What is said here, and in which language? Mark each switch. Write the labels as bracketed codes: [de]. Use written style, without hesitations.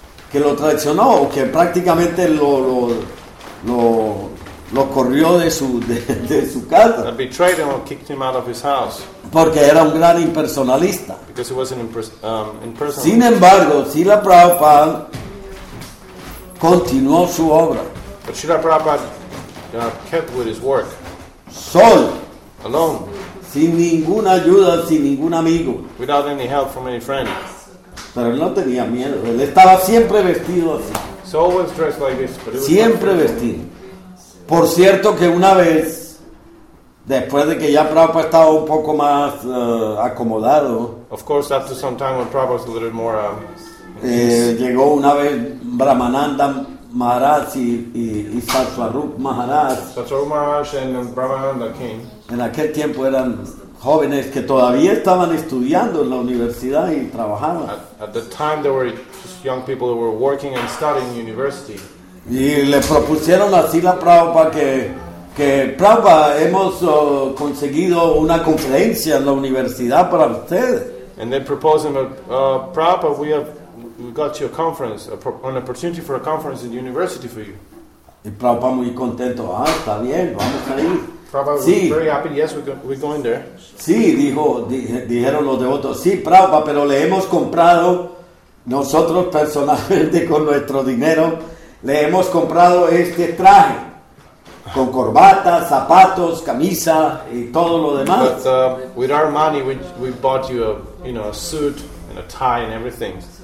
[es] Que lo traicionó, que prácticamente lo corrió de su casa. [en] That betrayed him or kicked him out of his house. [es] Porque era un gran impersonalista. [en] Because he was an impersonalist. [es] Sin embargo, Srila Prabhupada continuó su obra. [en] But Srila Prabhupada kept with his work. [es] Sol. [en] Alone. [es] Sin ninguna ayuda, sin ningún amigo. [en] Without any help from any friend. [es] Pero él no tenía miedo. Él estaba siempre vestido así. [en] So always dressed like this. But [es] siempre vestido. Por cierto que una vez, después de que ya Prabhupada estaba un poco más acomodado, [en] of course, after some time when Prabhupada was a little more, [es] llegó una vez Brahmananda Maharaj y Saswarup Maharaj. [en] Saswarup Maharaj and Brahmananda came. [es] En aquel tiempo eran jóvenes que todavía estaban estudiando en la universidad y trabajaban. [en] At the time, there were just young people who were working and studying in university. [es] Y le propusieron a Srila Prabhupada que Prabhupada, hemos conseguido una conferencia en la universidad para usted. [en] And they proposed him a Prabhupada, we got you a conference, an opportunity for a conference in the university for you. [es] Y Prabhupada muy contento, ah, está bien, vamos a ir. [en] Prabhupada sí. Very happy, yes, we're going there. [es] Sí, dijeron los devotos, sí, Prabhupada, pero le hemos comprado nosotros personalmente con nuestro dinero, le hemos comprado este traje. Con corbata, zapatos, camisa y todo lo demás. [en] But with our money, we bought you a suit and a tie and everything.